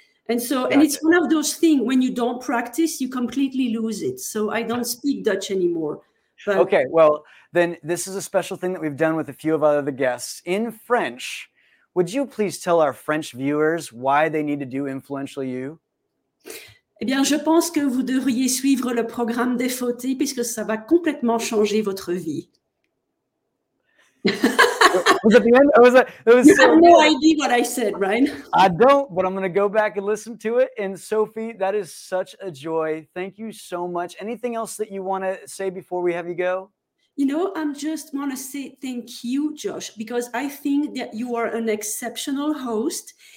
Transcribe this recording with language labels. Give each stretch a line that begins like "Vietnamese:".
English: And so, gotcha. And it's one of those things, when you don't practice, you completely lose it. So I don't speak Dutch anymore. But... Okay, well, then this is a special thing that we've done with a few of other guests in French. Would you please tell our French viewers why they need to do Influential You?
French: Eh bien, je pense que vous devriez suivre le programme des fautés puisque ça va complètement changer votre vie.
English: Was that the end? It was you have no idea what I said, Ryan. I don't, but I'm going to go back and listen to it. And Sophie, that is such a joy. Thank you so much. Anything else that you want to say before we have you go? You know, I just want to say thank you, Josh, because I think that you are an exceptional host.